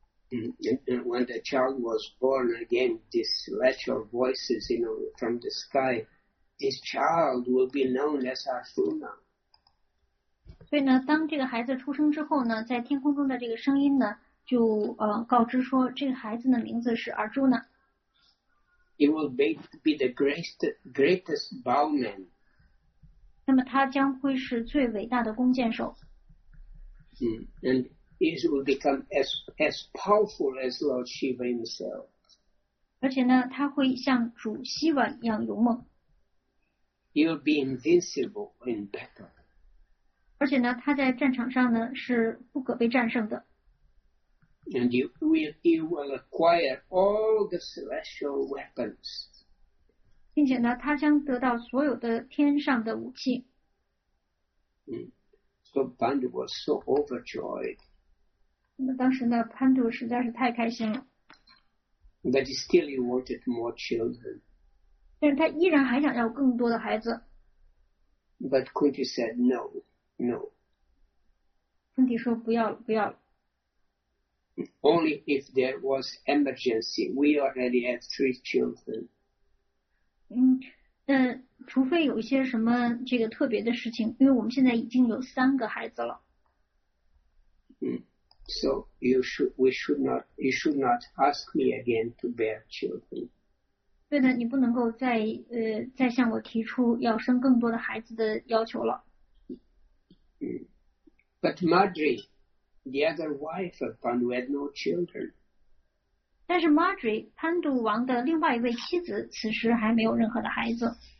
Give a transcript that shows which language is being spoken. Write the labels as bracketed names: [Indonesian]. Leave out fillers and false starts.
[English] When the child was born again, these celestial voices, you know, from the sky, this child will be known as Arjuna. [Chinese] 所以呢，当这个孩子出生之后呢，在天空中的这个声音呢，就告知说，这个孩子的名字是 Arjuna。 [English] He will be the greatest bowman. [Chinese] 那么他将会是最伟大的弓箭手。 [English] And he will become as powerful as Lord Shiva himself. [Chinese] 而且呢，他会像主希瓦一样勇猛。 [English] He will be invincible in battle. [Chinese] 而且呢，他在战场上呢是不可被战胜的。 [English] And you will acquire all the celestial weapons. [Chinese] 并且呢，他将得到所有的天上的武器。 [English] So Pandu was so overjoyed. [Chinese] 那么当时呢，潘度实在是太开心了。 [English] But still, he wanted more children. [Chinese] 但是他依然还想要更多的孩子。 [English] But Kunti said no, no. [Chinese] 昆提说不要了，不要了。 [English] Only if there was emergency, we already have 3 children. [Chinese] 那除非有一些什么这个特别的事情，因为我们现在已经有3个孩子了。 [English] So you should not ask me again to bear children. [Chinese] 对的，你不能够再向我提出要生更多的孩子的要求了。 [English] But Madri. The other wife of Pandu had no children. [Chinese] 但是 Madri, 潘度王的另外一位妻子此时还没有任何的孩子。